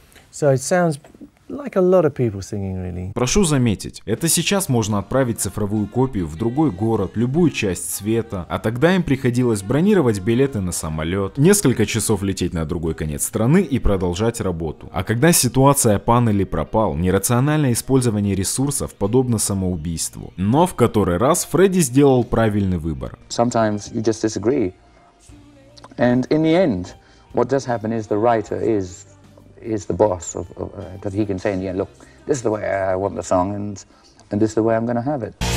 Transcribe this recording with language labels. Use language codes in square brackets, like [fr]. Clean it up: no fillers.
[en] So it sounds like a lot of people singing, really. [ru] Прошу заметить, это сейчас можно отправить цифровую копию в другой город, любую часть света, а тогда им приходилось бронировать билеты на самолет, несколько часов лететь на другой конец страны и продолжать работу. А когда ситуация пан или пропал, нерациональное использование ресурсов подобно самоубийству. Но в который раз Фредди сделал правильный выбор. [en] Sometimes you just disagree. And in the end, what does happen is the writer is the boss of that he can say in the end, look, this is the way I want the song and this is the way I'm gonna have it.